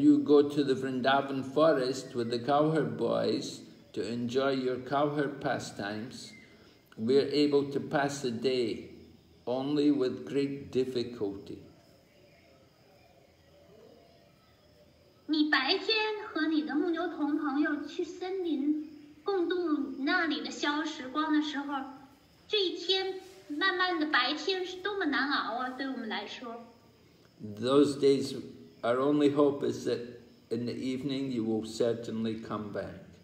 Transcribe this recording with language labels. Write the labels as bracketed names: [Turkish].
[English] you go to the Vrindavan forest with the cowherd boys to enjoy your cowherd pastimes, we are able to pass the day only with great difficulty. [Chinese] 你白天和你的牧牛同朋友去森林共度那里的消时光的时候，这一天慢慢的白天是多么难熬啊！对我们来说， [English] Those days, our only hope is that in the evening you will certainly come back.